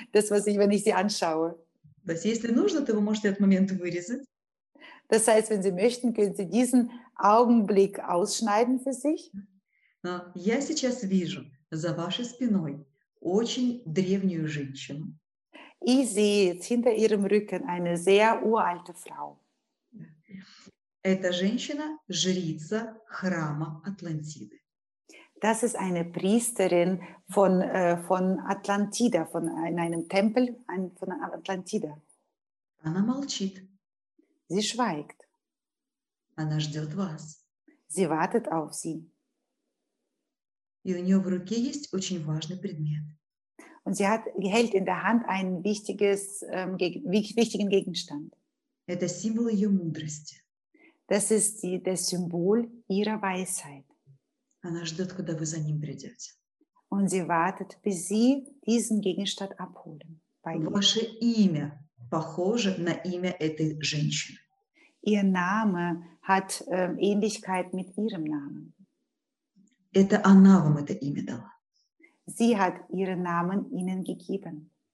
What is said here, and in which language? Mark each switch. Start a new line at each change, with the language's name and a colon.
German: Das, was ich, wenn ich Sie anschaue. Das heißt, wenn Sie möchten, können Sie diesen Augenblick ausschneiden für sich. Ich sehe jetzt hinter Ihrem Rücken eine sehr uralte Frau.
Russian: Эта женщина – жрица храма Атлантиды.
German: Das ist eine Priesterin von Atlantida, in einem Tempel von Atlantida.
Russian: Она молчит.
German: Sie schweigt.
Russian: Она ждет вас.
German: Sie wartet auf Sie.
Russian: И у нее в руке есть очень важный предмет.
German: Und sie hält in der Hand einen wichtigen Gegenstand.
Russian: Это символ ее мудрости.
German: Das ist das Symbol ihrer Weisheit.
Russian: Она ждет, когда вы за ним придете.
German: Und sie wartet, bis sie diesen Gegenstand abholen.
Russian: Ваше имя похоже на имя этой женщины.
German: Ihr Name hat Ähnlichkeit mit ihrem Namen.
Russian: Это она вам это имя дала.
German: Sie hat ihren Namen ihnen gegeben.